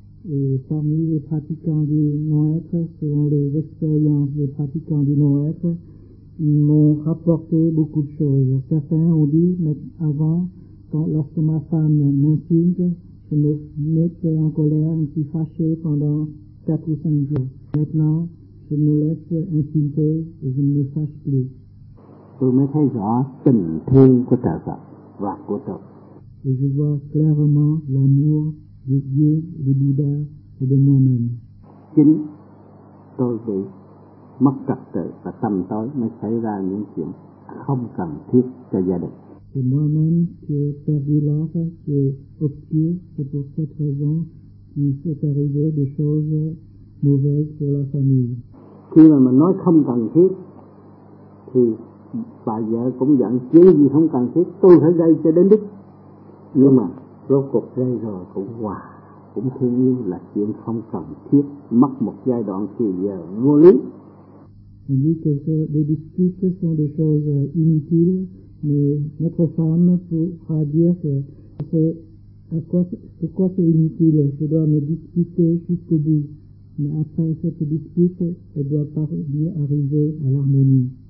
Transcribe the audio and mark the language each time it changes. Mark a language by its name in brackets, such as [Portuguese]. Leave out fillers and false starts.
[French] Et parmi les pratiquants du non-être, selon les expériences des pratiquants du non-être, ils m'ont rapporté beaucoup de choses. Certains ont dit, mais avant, quand, lorsque ma femme m'insulte, je me mettais en colère, je suis fâché pendant 4 ou 5 jours. Maintenant, je me laisse insulter et je ne me fâche plus. Et je vois clairement l'amour de Dieu, de Bouddha et de moi-même. [Vietnamese] Chính tôi bị mất trật tự và tâm tối mới xảy ra những chuyện không cần thiết cho gia đình. [French] C'est moi-même qui ai perdu l'âme, qui ai obscur, c'est pour cette raison qu'il s'est arrivé des choses mauvaises pour la famille. [Vietnamese] Khi mà mình nói không cần thiết, thì bà vợ cũng giận, chứ gì không cần thiết, tôi phải gây cho đến đích. Nhưng mà rốt cuộc gây rồi cũng hòa, cũng thương yêu là chuyện không cần thiết, mất một giai đoạn thì giờ vô lý. [French] On dit que les disputes sont des choses inutiles, mais notre femme pourra dire que c'est à quoi c'est inutile, je dois me disputer jusqu'au bout. Mais après cette dispute, elle doit parvenir à arriver à l'harmonie.